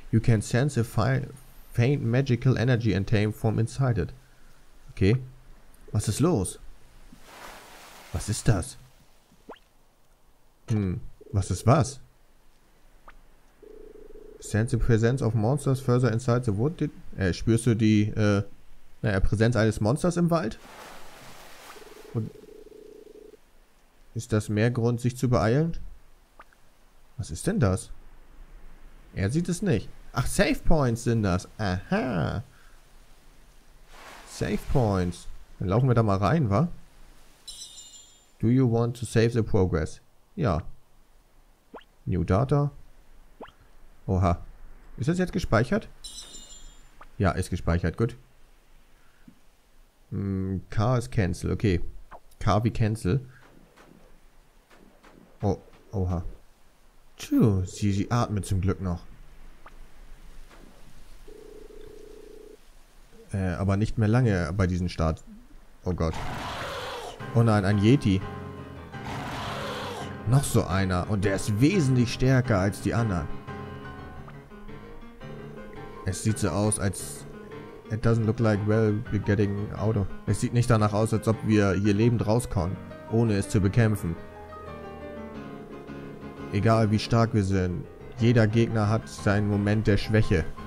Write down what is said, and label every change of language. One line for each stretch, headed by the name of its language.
English: You can sense a faint magical energy and tame from inside it.
German: Okay. Was ist los? Was ist das? Was ist was?
English: Sense the presence of monsters further inside the wood.
German: Spürst du die Präsenz eines Monsters im Wald? Und ist das mehr Grund, sich zu beeilen? Was ist denn das? Er sieht es nicht. Ach, Save Points sind das. Aha. Save Points. Dann laufen wir da mal rein, wa?
English: Do you want to save the progress?
German: Ja. New Data. Oha. Ist das jetzt gespeichert? Ja, ist gespeichert. Gut. K ist Cancel. Okay. K wie Cancel. Oh. Oha. Tschu. Sie atmet zum Glück noch. Aber nicht mehr lange bei diesem Start. Oh Gott. Oh nein, ein Yeti. Noch so einer. Und der ist wesentlich stärker als die anderen. Es sieht so aus, als...
English: It doesn't look like well we're getting out of...
German: Es sieht nicht danach aus, als ob wir hier lebend rauskommen, ohne es zu bekämpfen. Egal wie stark wir sind, jeder Gegner hat seinen Moment der Schwäche.